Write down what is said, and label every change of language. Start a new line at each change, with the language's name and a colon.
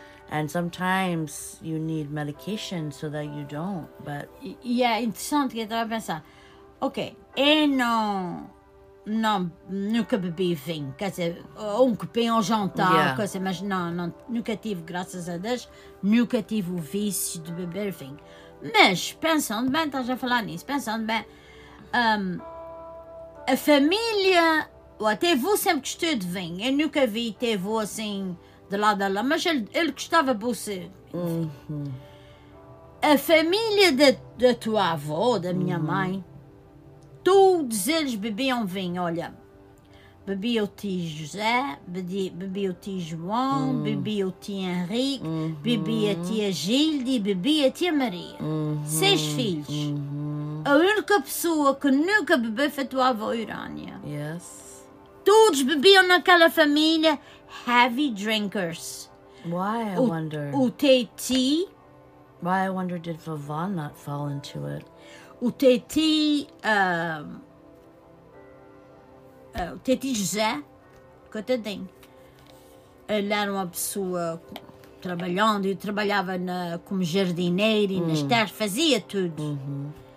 English: And sometimes you need medication so that you don't, but...
Portuguese: Yeah, interessante que eu estava pensando. Ok, eu não nunca bebi vinho, quer dizer, um copinho ao jantar, yeah, quer dizer, mas não, nunca tive, graças a Deus, nunca tive o vício de beber vinho. Mas, pensando bem, estás a falar nisso, pensando bem, a família, ou até avô sempre gostou de vinho, eu nunca vi ter avô assim, de lado a lado, mas ele gostava de você. Uh-huh. A família da tua avó, da minha mãe, todos eles bebiam vinho, olha. Bebi o tio José, bebi o tio João, bebi o tio Henrique, bebi a tia Gilde, bebi a tia Maria. Seis filhos. A única pessoa que nunca bebeu foi a tua avó, Urânia.
English: Yes.
Portuguese: Todos bebiam naquela família
English: heavy drinkers. Why, I wonder?
Portuguese: O Teti.
English: Why, I wonder, did Vavá not fall into it?
Portuguese: O Teti, o Teti José, coitadinho, ele era uma pessoa trabalhando, e trabalhava como jardineiro e nas terras, fazia tudo. Uh-huh.